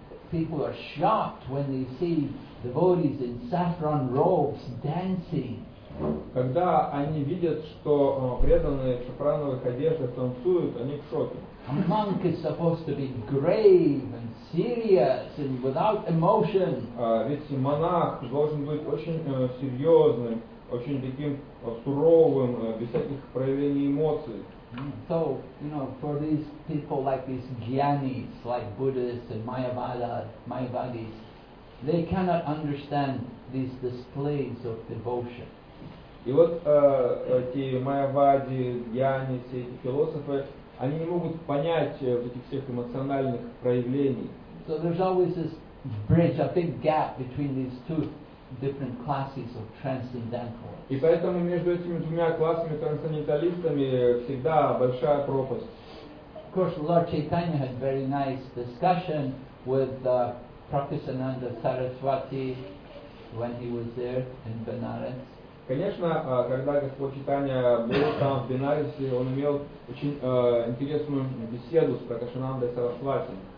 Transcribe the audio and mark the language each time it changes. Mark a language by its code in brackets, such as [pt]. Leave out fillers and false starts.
[en] People are shocked when they see devotees in saffron robes dancing. [ru] Когда они видят, что преданные в шафрановых одеждах танцуют, они в шоке. [en] A monk is supposed to be grave and serious and without emotion. [ru] Ведь монах должен быть очень серьезным, очень таким суровым, без всяких проявлений эмоций. [en] So, you know, for these people like these jnanis, like Buddhists and Mayavadis, they cannot understand these displays of devotion. [ru] И вот эти майявади, джняни, все эти философы, они не могут понять вот этих всех эмоциональных проявлений. [en] So there's always this bridge, a big gap between these two different classes of transcendentalists. [ru] И поэтому между этими двумя классами трансценденталистами всегда большая пропасть. [en] Of course, Lord Chaitanya had very nice discussion with Prakasananda Saraswati when he was there in Benares. [ru] Конечно, когда Господь Чайтанья был там в Бенарисе, он имел очень интересную беседу с Пракашанандой Сарасвати.